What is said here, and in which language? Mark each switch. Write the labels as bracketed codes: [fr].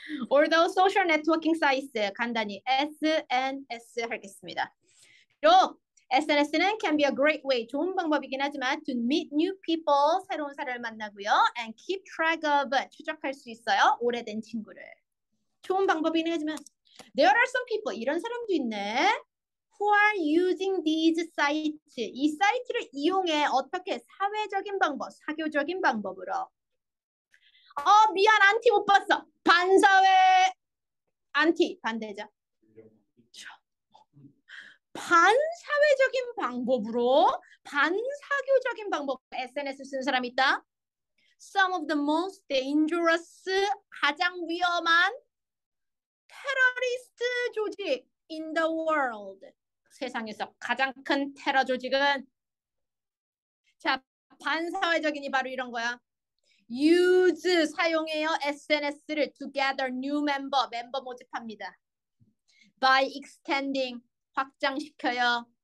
[en] Although social networking sites, [ko] 간단히 SNS 하겠습니다. 그리고 SNS는 [en] can be a great way, [ko] 좋은 방법이긴 하지만 [en] to meet new people, [ko] 새로운 사람을 만나고요. [en] And keep track of, [ko] 추적할 수 있어요. 오래된 친구를. 좋은 방법이긴 하지만 [en] there are some people, [ko] 이런 사람도 있네. [en] Who are using these sites? [ko] 이 사이트를 이용해 어떻게 사회적인 방법, 사교적인 방법으로. 미안, 안티 못 봤어. 반사회, 안티, 반대죠. 반사회적인 방법으로, 반사교적인 방법, SNS 쓴 사람 있다. [en] Some of the most dangerous, [ko] 가장 위험한 테러리스트 조직 [en] in the world. [ko] 세상에서 가장 큰 테러 조직은? 자, 반사회적인 이 바로 이런 거야. Use 사용해요. SNS를 [en] to gather new member, [ko] 멤버 모집합니다. [en] By extending, [ko] 확장시켜요.